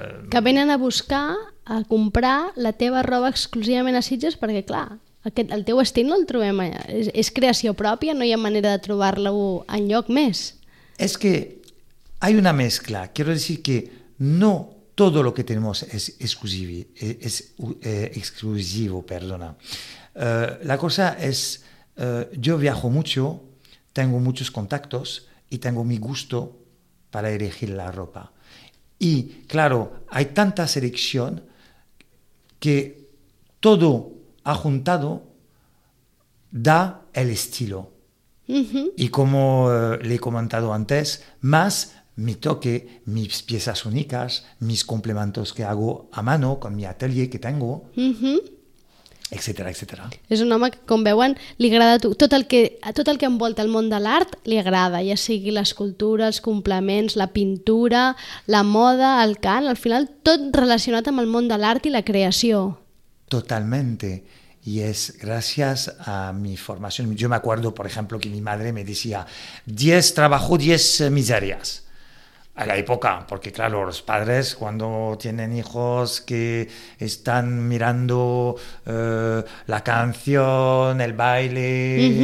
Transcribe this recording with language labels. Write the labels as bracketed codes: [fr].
[ca] Que venen a buscar, a comprar la teva roba exclusivament a Sitges, perquè clar, aquest, el teu estil no el trobem allà, és creació pròpia, no hi ha manera de trobar-la enlloc més. [es] És que hay una mezcla, quiero decir que no todo lo que tenemos es exclusivo, perdona. La cosa es, yo viajo mucho, tengo muchos contactos y tengo mi gusto para elegir la ropa. Y claro, hay tanta selección que todo ajuntado da el estilo. Uh-huh. Y como le he comentado antes, más mi toque, mis piezas únicas, mis complementos que hago a mano con mi atelier que tengo, etcétera, etcétera. [ca] És un home que, com veuen, li agrada tot el que envolta el món de l'art, li agrada, ja sigui l'escultura, els complements, la pintura, la moda, el cant, al final tot relacionat amb el món de l'art i la creació. [es] Totalmente. Y es gracias a mi formación. Yo me acuerdo, por ejemplo, que mi madre me decía 10 trabajo, 10 miserias. A la época, porque claro, los padres cuando tienen hijos que están mirando la canción, el baile, uh-huh.